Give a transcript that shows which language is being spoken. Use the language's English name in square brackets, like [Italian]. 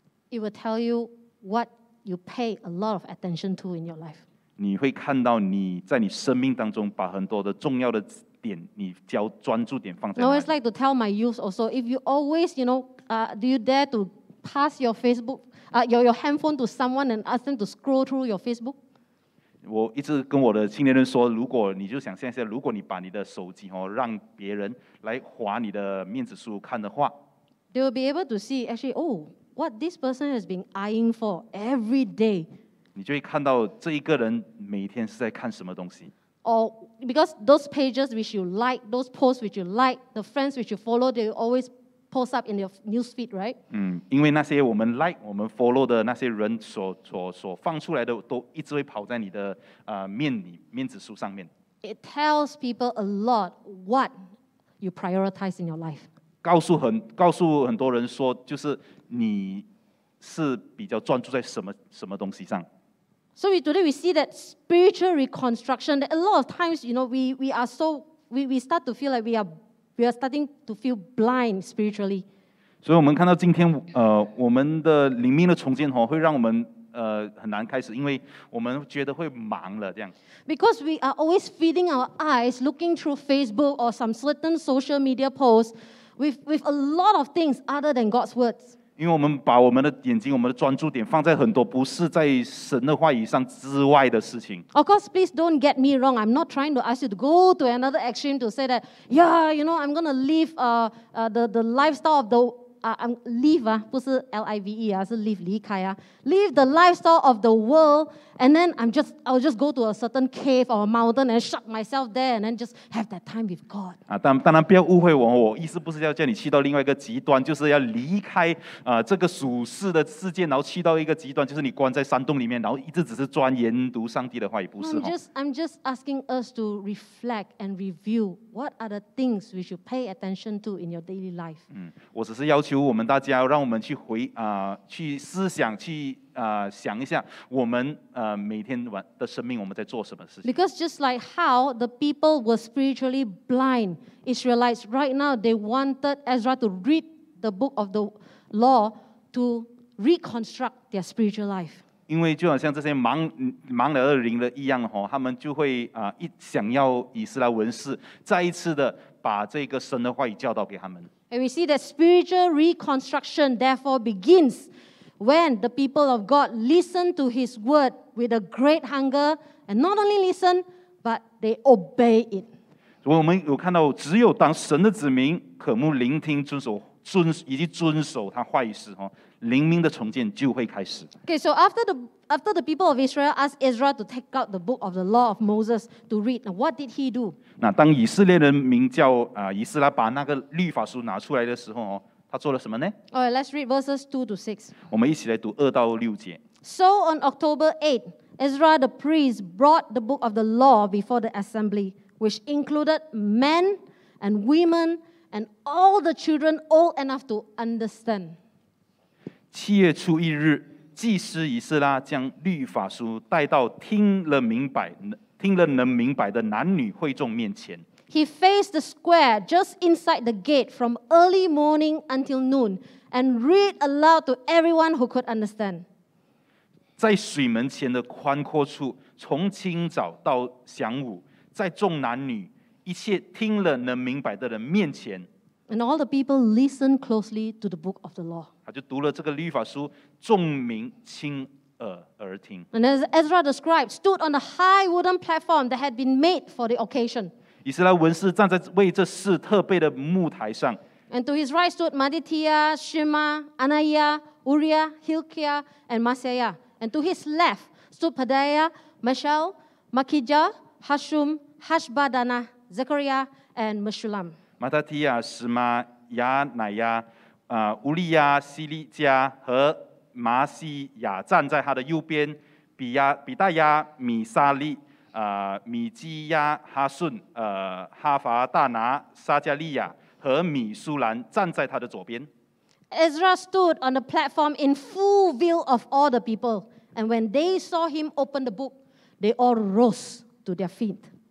[English] It will tell you what you pay a lot of attention to in your life. [Chinese] 你会看到你在你生命当中把很多的重要的点，你交专注点放在哪里。 [English] I always like to tell my youth also, if you always, you know,do you dare to pass your Facebook, your handphone to someone and ask them to scroll through your Facebook? [Chinese] 我一直跟我的青年人说，如果你就想象一下，如果你把你的手机哦让别人来划你的面子书看的话 [English] ，they will be able to see actually, oh, what this person has been eyeing for every day. [Chinese] 你就会看到这一个人每天是在看什么东西。 [English] Or because those pages which you like, those posts which you like, the friends which you follow, they always post up in your news feed, right? [Chinese] 因为那些我们 like, 我们 follow 的那些人所放出来的，都一直会跑在你的面子书上面。 [English] It tells people a lot what you prioritize in your life. [Chinese] 告诉很多人说，就是你是比较专注在什么东西上。 [English] So today we see that spiritual reconstruction, that a lot of times, you know, we start to feel like we are starting to feel blind spiritually. [Chinese] 所以我们看到今天，我们的灵命的重建，会让我们很难开始，因为我们觉得会忙了这样。 [English] Because we are always feeding our eyes, looking through Facebook or some certain social media posts, with a lot of things other than God's words. [Chinese] 因为我们把我们的眼睛、我们的专注点放在很多不是在神的话语上之外的事情。 [English] Of course, please don't get me wrong. I'm not trying to ask you to go to another extreme to say that, yeah, you know, I'm gonna live the lifestyle of the I'm leave [Chinese] 啊，不是 live 啊，是 leave 离开啊 [English] ，leave the lifestyle of the world, and then I'll just go to a certain cave or a mountain and shut myself there, and then just have that time with God. [Chinese] 啊，当然不要误会我，我意思不是要叫你去到另外一个极端，就是要离开这个属世的世界，然后去到一个极端，就是你关在山洞里面，然后一直只是钻研读上帝的话，也不是。 [English] I'm just asking us to reflect and review what are the things we should pay attention to in your daily life. [Chinese] 我只是要。要求我们大家，让我们去回去思想，去想一下，我们每天的生命，我们在做什么事情 [English] ？Because just like how the people were spiritually blind, Israelites right now they wanted Ezra to read the book of the law to reconstruct their spiritual life. [Chinese] 因为就好像这些盲了二灵的一样，他们就会一想要以斯拉文士再一次的把这个神的话语教导给他们。 [English] And we see that spiritual reconstruction therefore begins when the people of God listen to His word with a great hunger, and not only listen, but they obey it. [Chinese] 我们有看到，只有当神的子民渴慕聆听、遵守他话语时，灵命的重建就会开始。 [English] Okay, so after the people of Israel asked Ezra to take out the book of the law of Moses to read, now what did he do? [Chinese] 那当以色列人民叫以斯拉把那个律法书拿出来的时候，他做了什么呢？ [English] All right, let's read verses 2 to 6. [Chinese] 我们一起来读2到6节。 [English] So on October 8, Ezra the priest brought the book of the law before the assembly, which included men and women and all the children old enough to understand. [Chinese] 七月初一日，祭司以斯拉将律法书带到听了能明白的男女会众面前。 [English] He faced the square just inside the gate from early morning until noon and read aloud to everyone who could understand. [Chinese] 在水门前的宽阔处，从清早到晌午，在众男女一切听了能明白的人面前。 [English] And all the people listened closely to the book of the law. [Chinese] 他就读了这个律法书，众民亲耳而听。 [English] And as Ezra the scribe stood on the high wooden platform that had been made for the occasion. [Chinese] 以斯拉文士站在为这事特备的木台上。 [English] And to his right stood Mattathiah, Shema, Ananiah, Uriah, Hilkiah, and Maaseiah. And to his left stood Pedaiah, Mishael, Malkijah, Hashum, Hashbadana, Zechariah, and Meshulam. [Chinese] 马大提亚、史马亚、乃亚、乌利亚、西利加和马西亚站在他的右边，比大亚、米沙利、米基亚、哈顺、哈法大拿、撒加利亚和米苏兰站在他的左边。 [English] Ezra stood on the platform in full view of all the people, and when they saw him open the book, they all rose to their feet.